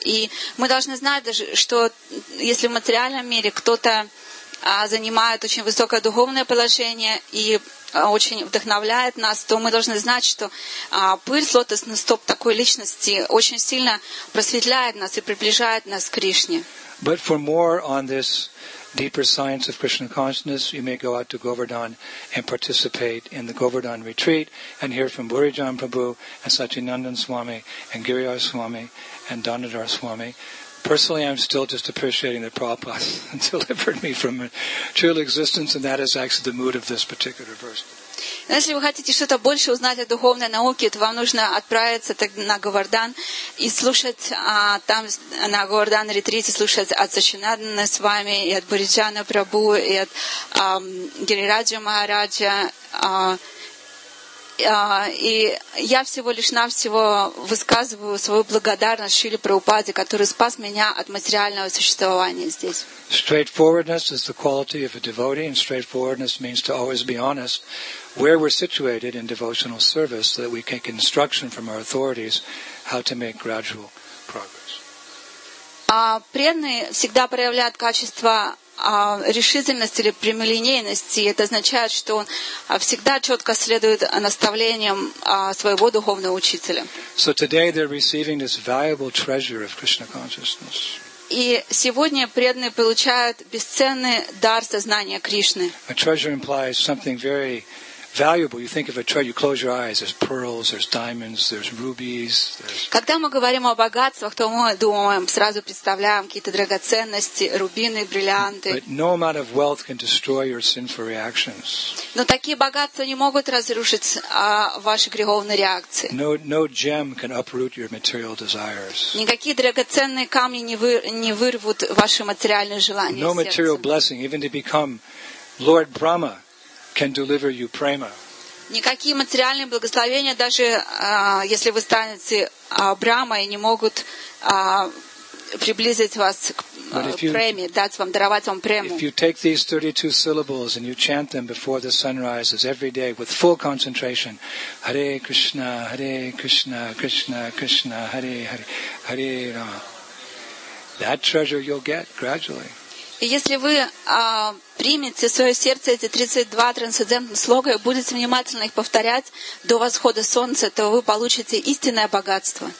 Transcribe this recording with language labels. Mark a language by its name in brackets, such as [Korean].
[Russian] И мы должны знать даже, что если в материальном мире кто-то занимает очень высокое духовное положение и очень вдохновляет нас, то мы должны знать, что пыль с лотосных стоп такой личности очень сильно просветляет нас и приближает нас к Кришне. [English] But for more on this deeper science of Krishna consciousness, you may go out to Govardhan and participate in the Govardhan retreat and hear from Burijan Prabhu and Satchinandan Swami and Giriyar Swami and Dhanadhar Swami. Personally, I'm still just appreciating that Prabhupada delivered me from a true existence, and that is actually the mood of this particular verse. [Russian] Если вы хотите что-то больше узнать о духовной науке, то вам нужно отправиться на Говардан и слушать там на Говардан ретрите слушать от Сачинадана с вами и от Буриджана Прабу и от Гирираджа Махараджа. И я всего лишь навсего высказываю свою благодарность Шриле Прабхупаде, который спас меня от материального существования здесь. [English] Straightforwardness is the quality of a devotee, and straightforwardness means to always be honest where we're situated in devotional service, so that we can get instruction from our authorities how to make gradual progress. [Russian] Преданные всегда проявляют качество решительность или прямолинейность, это означает, что он всегда четко следует наставлениям своего духовного учителя. [English] So today they're receiving this valuable treasure of Krishna consciousness. [Russian] И сегодня преданные получают бесценный дар сознания Кришны. [English] A treasure implies something very valuable. You think of a treasure, you close your eyes, there's pearls, there's diamonds, there's rubies. [Russian] Когда мы говорим о богатствах, то мы думаем, сразу представляем какие-то драгоценности, рубины, бриллианты. [English] But no amount of wealth can destroy your sinful reactions. [Russian] Но такие богатства не могут разрушить ваши греховные реакции. [English] No gem can uproot your material desires. [Russian] Никакие драгоценные камни не вырвут ваши материальные желания. [English] No material blessing, even to become Lord Brahma, can deliver you prema. [Russian] Никакие материальные благословения, даже если вы станете Брахмой, не могут приблизить вас к преме, дать вам, даровать вам прему. [English] If you take these 32 syllables and you chant them before the sun rises every day with full concentration, Hare Krishna, Hare Krishna, Krishna Krishna, Hare Hare, Hare Rama, that treasure you'll get gradually. [Russian] И если вы примете в свое сердце эти 32 трансцендентных слога и будете внимательно их повторять до восхода солнца, то вы получите истинное богатство.